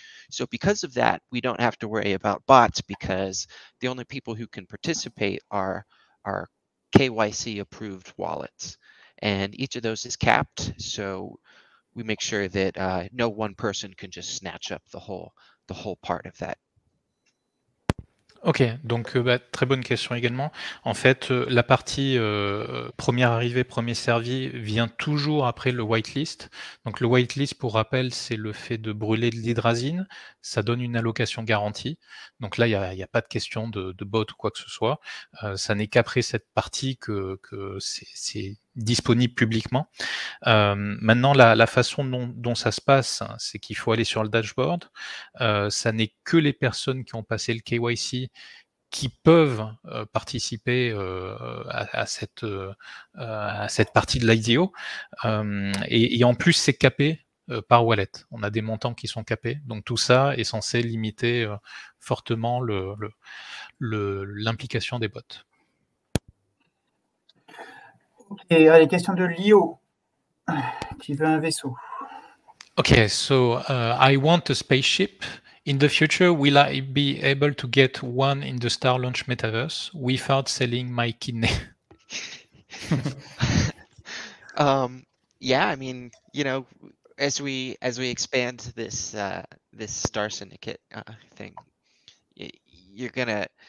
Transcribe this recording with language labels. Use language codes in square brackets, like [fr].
[en] So because of that, we don't have to worry about bots, because the only people who can participate are KYC approved wallets. And each of those is capped, so we make sure that no one person can just snatch up the whole part of that. [fr] Ok, donc très bonne question également. En fait, la partie premier arrivé, premier servi vient toujours après le whitelist. Donc le whitelist, pour rappel, c'est le fait de brûler de l'hydrazine. Ça donne une allocation garantie. Donc là, il n'y a pas de question de bot ou quoi que ce soit. Ça n'est qu'après cette partie que c'est disponible publiquement. Maintenant, la façon dont ça se passe, hein, c'est qu'il faut aller sur le dashboard. Ça n'est que les personnes qui ont passé le KYC qui peuvent participer à cette partie de l'IDO. Et en plus, c'est capé par wallet. On a des montants qui sont capés. Donc tout ça est censé limiter fortement l'implication des bots. Et à la question de Leo, qui veut un vaisseau. [en] Okay, so I want a spaceship. In the future, will I be able to get one in the Star Launch Metaverse without selling my kidney? Yeah, I mean, you know, as we expand this Star Syndicate thing, you're gonna.